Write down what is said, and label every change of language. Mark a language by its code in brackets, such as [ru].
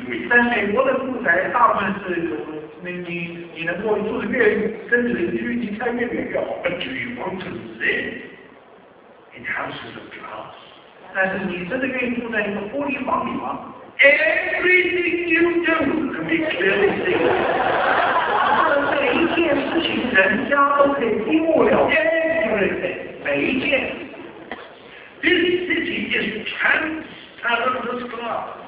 [zh] 但美国的住宅大部分是，你能够住得越跟邻居离开越远越好。 [en] But do you want to live in houses of glass? [zh] 但是你真的愿意住在一个玻璃房里吗？ [en] Everything you do can be clearly seen. [zh] 每一件事情人家都可以听不了。 [en] Everything. [zh] 每一件。 [en] This city is transparent as glass.